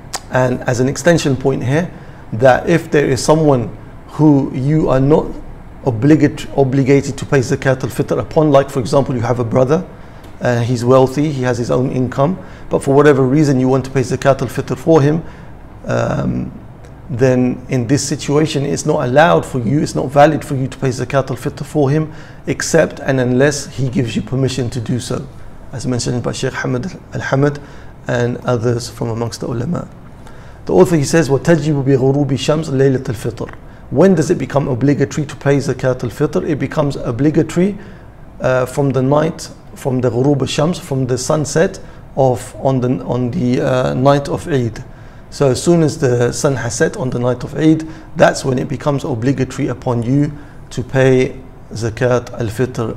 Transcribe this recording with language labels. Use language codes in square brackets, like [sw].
[en] And as an extension point here, that if there is someone who you are not obligated to pay zakat al-fitr upon, like for example you have a brother, he's wealthy, he has his own income, but for whatever reason you want to pay zakat al-fitr for him, then in this situation it's not allowed for you, it's not valid for you to pay zakat al-fitr for him, except and unless he gives you permission to do so, as mentioned by Sheikh Hamad al-Hamad and others from amongst the ulama. The author, he says, [ar] وَتَجِبُ بِغُرُوبِ شَمْسِ لَيْلَةِ الْفِطْرِ. [en] When does it become obligatory to pay zakat al-fitr? It becomes obligatory from the night, from the ghurub al-shams, from the sunset of on the night of Eid. So as soon as the sun has set on the night of Eid, that's when it becomes obligatory upon you to pay zakat al-fitr.